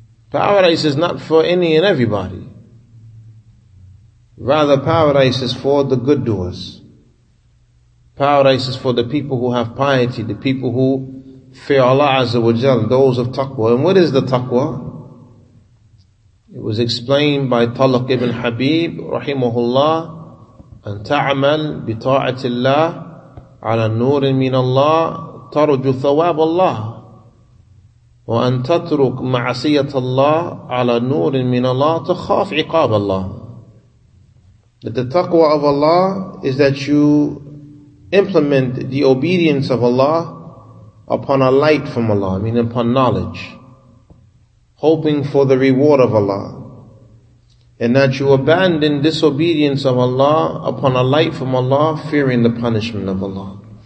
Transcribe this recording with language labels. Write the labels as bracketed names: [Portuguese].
[English] Paradise is not for any and everybody. Rather, paradise is for the good doers. Paradise is for the people who have piety, the people who fear Allah Azza wa Jal, those of taqwa. And what is the taqwa? It was explained by Talq ibn Habib, rahimahullah, [Arabic] أن تعمل بطاعة الله على نور من الله ترجو ثواب الله وأن تترك معصية الله على نور من الله تخاف عقاب الله. [English] That the taqwa of Allah is that you implement the obedience of Allah upon a light from Allah, meaning upon knowledge, hoping for the reward of Allah. And that you abandon disobedience of Allah upon a light from Allah, fearing the punishment of Allah.